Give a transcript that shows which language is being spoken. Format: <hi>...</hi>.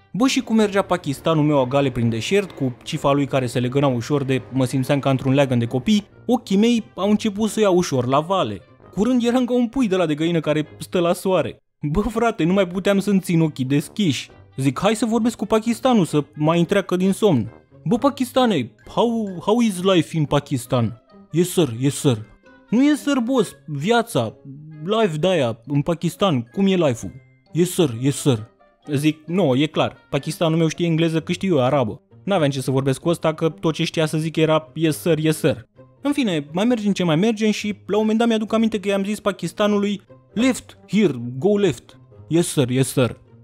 <ro>Bă, și cum mergea pakistanul meu agale prin deșert, cu cifa lui care se legăna ușor de, mă simțeam ca într-un leagăn de copii, ochii mei au început să iau ușor la vale. Curând eram ca un pui de la de găină care stă la soare. Bă, frate, nu mai puteam să-mi țin ochii deschiși. Zic: hai să vorbesc cu pakistanul să mai întreacă din somn. Bă,</ro> <en>Pakistane, how is life in Pakistan? Yes sir.</en> <ro>Nu e sir, boss, viața, life de-aia, în Pakistan, cum e life-ul?</ro> <en>Yes sir.</en> <ro>Zic: nu, e clar, pakistanul meu știe engleză cât știu eu arabă. N-aveam ce să vorbesc cu ăsta, că tot ce știa să zic era</ro> <en>yes sir.</en> <ro>În fine, mai mergem ce mai mergem și la un moment dat mi-aduc aminte că i-am zis pakistanului:</ro> <en>left, here, go left. Yes sir.</en>